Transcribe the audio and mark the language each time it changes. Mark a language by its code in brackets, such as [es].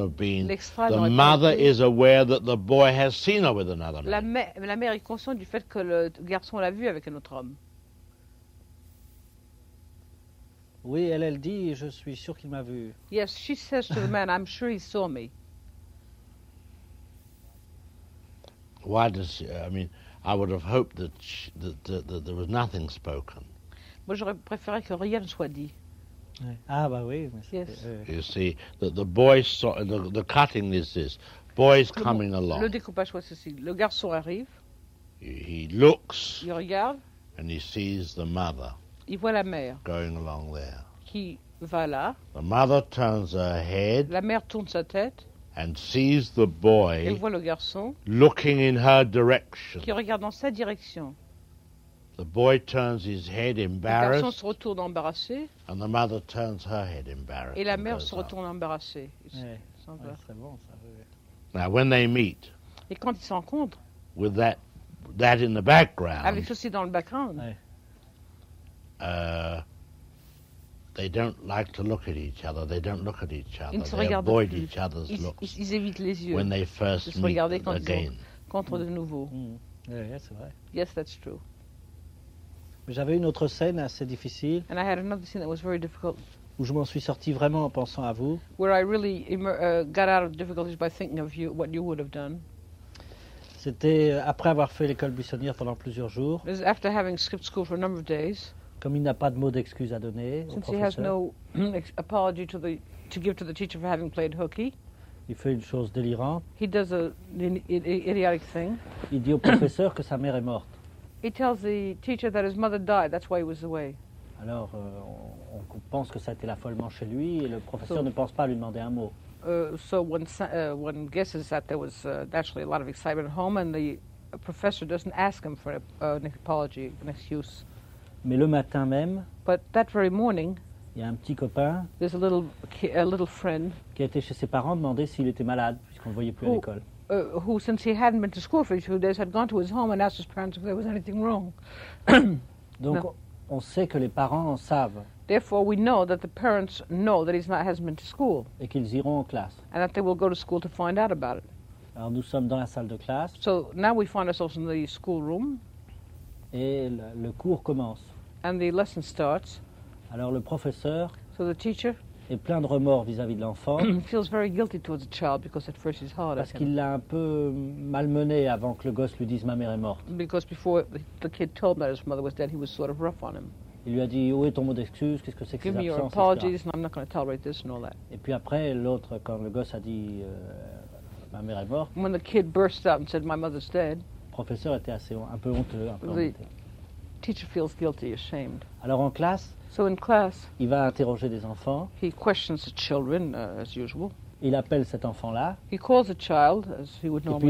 [en] have been the mother is aware that the boy has seen her with another man. [fr] La mère est consciente du fait que le garçon l'a vu avec un autre homme. Oui, elle dit, je suis sûr qu'il m'a vu. [en] Yes, she says to the man, I'm sure he saw me. Why does she, I mean, I would have hoped that, that there was nothing spoken. [fr] Moi, j'aurais préféré que rien ne soit dit. Ah, bah oui. [en] Yes. You see, the boy saw, the cutting is this. Boy's coming along. [fr] Le découpage est ceci. Le garçon arrive. [en] He looks. [fr] Il regarde. [en] And he sees the mother. [fr] Il voit la mère. [en] Going along there. [fr] Qui va là. [en] The mother turns her head. [fr] La mère tourne sa tête. [en] And sees the boy [fr] voit le garçon [en] looking in her direction. [fr] Qui regarde dans sa direction. [en] The boy turns his head embarrassed. [fr] Le garçon se retourne embarrassé. [en] And the mother turns her head embarrassed. [fr] Et la mère se retourne embarrassée. Ouais. Ouais, c'est bon, ça, oui. [en] Now when they meet. [fr] Et quand ils se rencontrent. [en] With that in the background. [fr] Avec ceci dans le background. Ouais. [en] They don't like to look at each other. They don't look at each other. They avoid [fr] plus. [en] Each other's [fr] ils, [en] looks. [fr] Ils évitent les yeux. [en] When they first [fr] ils [en] meet [fr] quand [en] again. [fr] Contre de nouveau. [en] Yes, that's true. [fr] Mais j'avais une autre scène assez difficile. [en] And I had another scene that was very difficult. [fr] Où je m'en suis sorti vraiment en pensant à vous. [en] Where I really got out of difficulties by thinking of you, what you would have done. [fr] C'était après avoir fait l'école buissonnière pendant plusieurs jours. [en] It was after having skipped school for a number of days. [fr] Comme il n'a pas de mot d'excuse à donner [en] since [fr] au professeur. [en] Since he has no apology to give to the teacher for having played hooky. [fr] Il fait une chose délirante. [en] He does an idiotic thing. [fr] Il dit au professeur que sa mère est morte. [en] He tells the teacher that his mother died, that's why he was away. [fr] Alors, on pense que ça a été l'affolement chez lui et le professeur ne pense pas lui demander un mot. [en] So one guesses that there was actually a lot of excitement at home and the professor doesn't ask him for an apology, an excuse. [fr] Mais le matin même, [en] but that very morning, [fr] il y a un petit copain [en] a little friend [fr] qui a été chez ses parents demander s'il était malade puisqu'on ne voyait plus à l'école. [en] Who, since he hadn't been to school for a few days, had gone to his home and asked his parents if there was anything wrong. [fr] Donc, on sait que les parents en savent. [en] Therefore, we know that the parents know that hasn't been to school. [fr] Et qu'ils iront en classe. [en] And that they will go to school to find out about it. [fr] Alors, nous sommes dans la salle de classe. [en] So now we find ourselves in the schoolroom. [fr] Et le cours commence. [en] And the lesson starts. [fr] Alors le professeur [en] so the teacher [fr] est plein de remords vis-à-vis de l'enfant. [en] Feels very guilty towards the child because at first he's hard. [fr] Parce qu'il l'a un peu malmené avant que le gosse lui dise ma mère est morte. [en] Because before the kid told that his mother was dead, he was sort of rough on him. [fr] Il lui a dit où est ton mot d'excuse, qu'est-ce que c'est que [en] give [fr] ces absences. [en] Give me your apologies, and I'm not going to tolerate this and all that. [fr] Et puis après l'autre, quand le gosse a dit ma mère est morte. [en] When the kid burst out and said my mother's dead. [fr] Le professeur était assez un peu honteux. [en] Teacher feels guilty, ashamed. [fr] Alors en classe, [en] so in class, [fr] il va interroger des enfants. [en] He questions the children, as usual. [fr] Il appelle cet enfant-là. [en] He calls the child, as he would normally.